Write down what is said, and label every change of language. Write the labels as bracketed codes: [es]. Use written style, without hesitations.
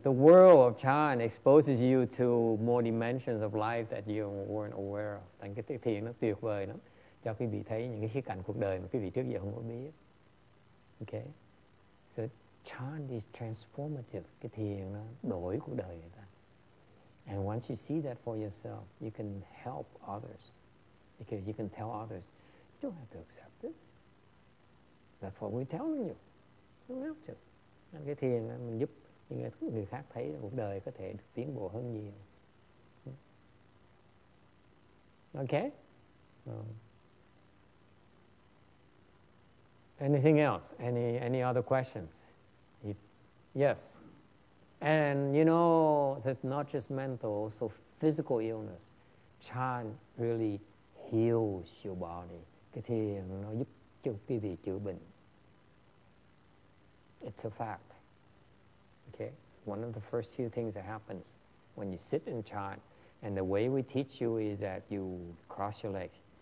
[en] The world of Chan exposes you to more dimensions of life that you weren't aware of. [vi] Thành cái thiền nó tuyệt vời lắm. Cho quý vị thấy những cái khía cạnh cuộc đời mà quý vị trước giờ không có biết. Okay? [en] So Chan is transformative. [vi] Cái thiền nó đổi cuộc đời người ta. [en] And once you see that for yourself, you can help others. Because you can tell others, you don't have to accept this. That's what we're telling you. You don't have to. [vi] Cái thiền mình giúp người khác thấy cuộc đời có thể được tiến bộ hơn nhiều. [en] Okay? Anything else? Any other questions? Yes. And you know, it's not just mental, also physical illness. Chan really heals your body. [vi] Cái thiền nó giúp cho quý vị chữa bệnh. [en] It's a fact. Okay, so one of the first few things that happens when you sit in chant, and the way we teach you is that you cross your legs.